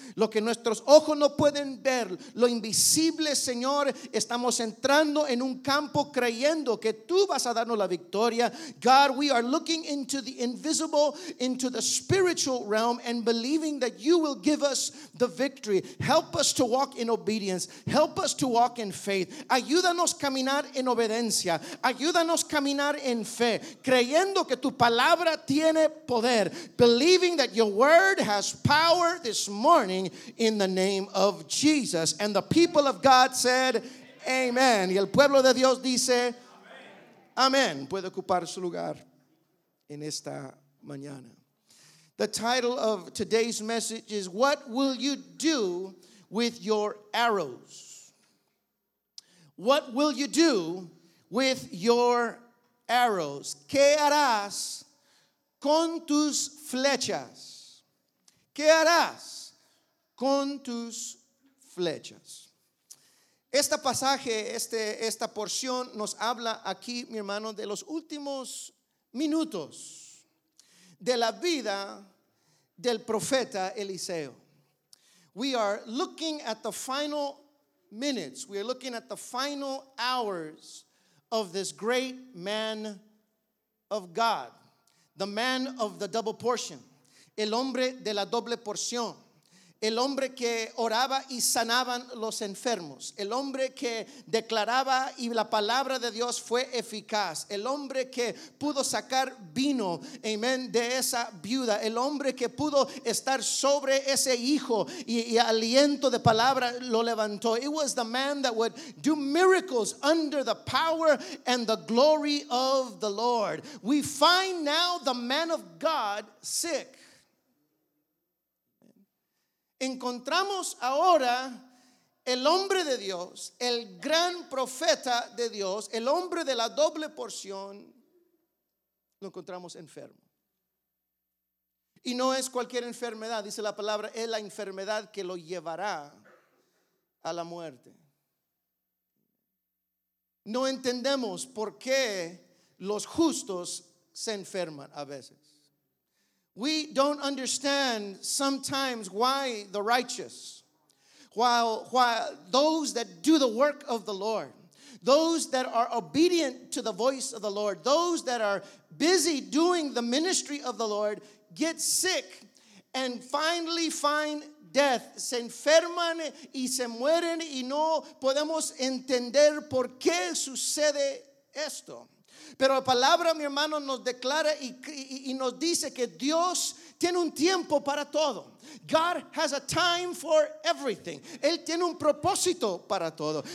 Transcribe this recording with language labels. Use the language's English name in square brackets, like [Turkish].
[Spanish] Lo que nuestros ojos no pueden ver, lo invisible, Señor, estamos entrando en un campo creyendo que tú vas a darnos la victoria. [English] God, we are looking into the invisible, into the spiritual realm, and believing that you will give us the victory. Help us to walk in obedience. Help us to walk in faith. [Spanish] Ayúdanos caminar en obediencia. Ayúdanos caminar en fe, creyendo que tu palabra tiene poder. [English] Believing that your word has power this morning in the name of Jesus. And the people of God said, amen. [Spanish] Y el pueblo de Dios dice, amen. Puede ocupar su lugar en esta mañana. [English] The title of today's message is, what will you do with your arrows? What will you do with your arrows? [Spanish] ¿Qué harás con tus flechas? ¿Qué harás con tus flechas? Este pasaje, esta porción nos habla aquí, mi hermano, de los últimos minutos de la vida del profeta Eliseo. [English] We are looking at the final minutes. We are looking at the final hours of this great man of God. The man of the double portion. [Spanish] El hombre de la doble porción. El hombre que oraba y sanaban los enfermos. El hombre que declaraba y la palabra de Dios fue eficaz. El hombre que pudo sacar vino, amén, de esa viuda. El hombre que pudo estar sobre ese hijo y aliento de palabra lo levantó. [English] It was the man that would do miracles under the power and the glory of the Lord. We find now the man of God sick. [Spanish] Encontramos ahora el hombre de Dios, el gran profeta de Dios, el hombre de la doble porción, lo encontramos enfermo. Y no es cualquier enfermedad, dice la palabra, es la enfermedad que lo llevará a la muerte. No entendemos por qué los justos se enferman a veces. [English] We don't understand sometimes why the righteous, while those that do the work of the Lord, those that are obedient to the voice of the Lord, those that are busy doing the ministry of the Lord, get sick and finally find death. [Spanish] Se enferman y se mueren y no podemos entender por qué sucede esto. Pero la palabra, mi hermano, nos declara y nos dice que Dios tiene un tiempo para todo. [English] God has a time for everything. [Spanish] Él tiene un propósito para todo.